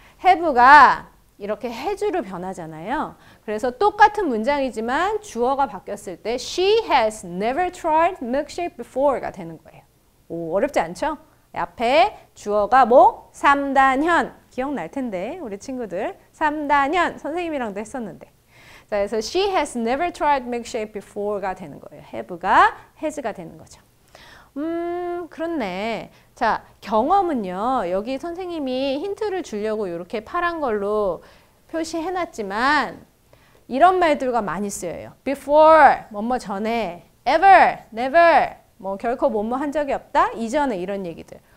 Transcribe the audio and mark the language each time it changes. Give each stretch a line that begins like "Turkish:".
Korean: have가 이렇게 has로 변하잖아요. 그래서 똑같은 문장이지만 주어가 바뀌었을 때
English: she has never tried milkshake before
Korean: 가 되는 거예요. 오, 어렵지 않죠? 앞에 주어가 뭐? 3단현. 기억날 텐데 우리 친구들. 3단현. 선생님이랑도 했었는데. 자, 그래서
English: she has never tried milkshake before
Korean: 가 되는 거예요. have가 has가 되는 거죠. 그렇네. 자, 경험은요. 여기 선생님이 힌트를 주려고 이렇게 파란 걸로 표시해놨지만 이런 말들과 많이 쓰여요. before, 뭐뭐 전에, ever, never, 뭐 결코 뭐뭐 한 적이 없다, 이전에 이런 얘기들.